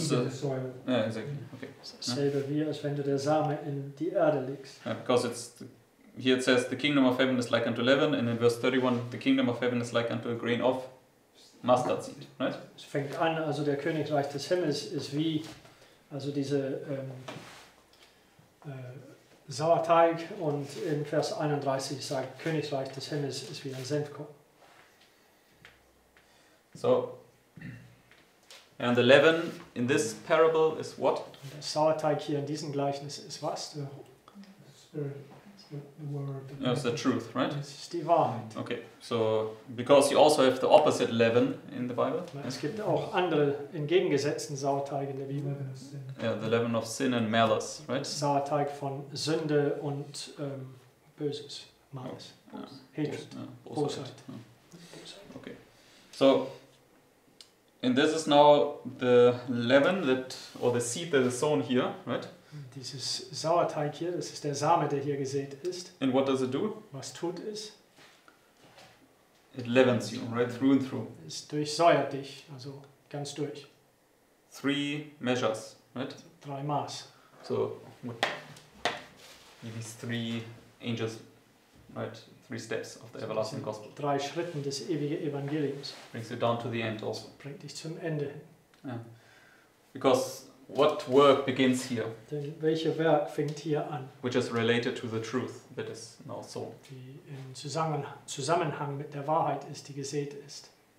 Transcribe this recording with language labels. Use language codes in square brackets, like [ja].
[de] Selbe wie als wenn du der Same in die Erde legst. [en] Yeah, because it's here it says the kingdom of heaven is like unto leaven, and in verse 31 the kingdom of heaven is like unto a grain of mustard seed, right? [de] Es fängt an, also der Königreich des Himmels ist wie, also diese Sauerteig, und in Vers 31 sagt Königreich des Himmels ist wie ein Senfkorn. [en] So. And the leaven in this parable is what? [de] Der Sauerteig hier in diesem Gleichnis ist was? [en] The spirit, the word. No, it's the truth, right? [de] Es ist die Wahrheit. [en] Okay, so because you also have the opposite leaven in the Bible. [de] Es gibt auch andere entgegengesetzten Sauerteig in der Bibel. [en] Yeah, the leaven of sin and malice, right? [de] Der Sauerteig von Sünde und Böses, Malice, Bosheit. Bosheit. [en] Okay, so. And this is now the leaven that, or the seed that is sown here, right? [de] Dieses Sauerteig hier, das ist der Same, der hier gesät ist. [en] And what does it do? [de] Was tut es? [en] It leavens you, right, through and through. [de] Es durchsäuert dich, also ganz durch. [en] Three measures, right? [de] Drei Maß. [en] So, what, these three angels, right? Three steps of the everlasting gospel. [de] Drei Schritten des ewigen Evangeliums. [en] Brings it down to the end also. [de] Bringt dich zum Ende. [en] Yeah. Because what work begins here? [de] Denn welche Werk fängt hier an? [en] Which is related to the truth that is now sown. [de] Die im Zusammenhang mit der Wahrheit ist, die gesät ist.